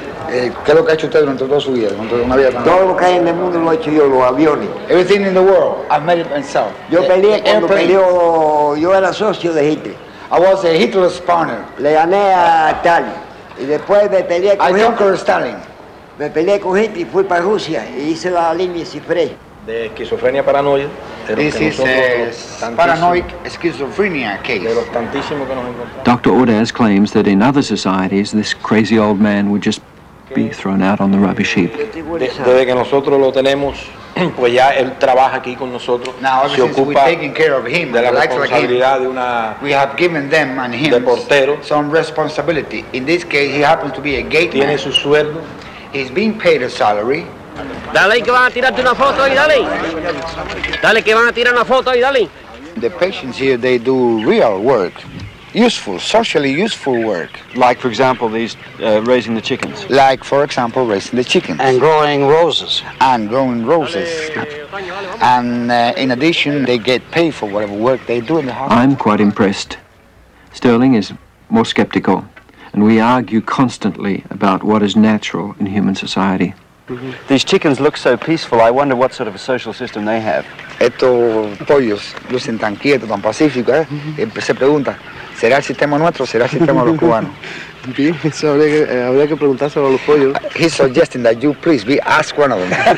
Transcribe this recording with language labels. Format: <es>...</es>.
<es>¿Qué es lo que ha hecho usted durante toda su vida? Todo lo que hay en el mundo lo he hecho yo, los aviones.</es> <en>Everything in the world, I've made it myself.</en> <es>Yo peleé cuando peleó, yo era socio de Hitler.</es> <en>I was a Hitler's partner.</en> <es>Le gané a Stalin. Y después me peleé con</es> <en>Hitler. I conquered Stalin.</en> <es>Me peleé con Hitler y fui para Rusia y hice la línea Cifré. De esquizofrenia paranoia.</es> <en>This is a paranoid schizophrenia case. Dr. Ordaz claims that in other societies, this crazy old man would just be thrown out on the rubbish heap.</en> <es>Desde que nosotros lo tenemos, pues ya él trabaja aquí con nosotros.</es> <en>Now,</en> <es>se ocupa de la responsabilidad de una.</es> <en>We have given them and him some responsibility. In this case, he happens to be a gate</en> <es>man. Tiene su sueldo.</es> <en>He's being paid a salary.</en> <es>Dale que van a tirarte una foto y dale. Dale que van a tirar una foto y dale.</es> <en>The patients here, they do real work. Useful, socially useful work. Like, for example, these raising the chickens. Like, for example, raising the chickens. And growing roses. And growing roses. And in addition, they get paid for whatever work they do in the hospital. I'm quite impressed. Sterling is more skeptical. And we argue constantly about what is natural in human society. Mm-hmm. These chickens look so peaceful. I wonder what sort of a social system they have.</en> <es>Estos pollos lucen tan quietos, tan pacíficos, ¿eh? Mm-hmm. Se pregunta, ¿será el sistema nuestro o será el sistema de los cubanos? Bien, eso habría que preguntárselo a los pollos.</es> <en>He's suggesting that you please be asked one of them.</en>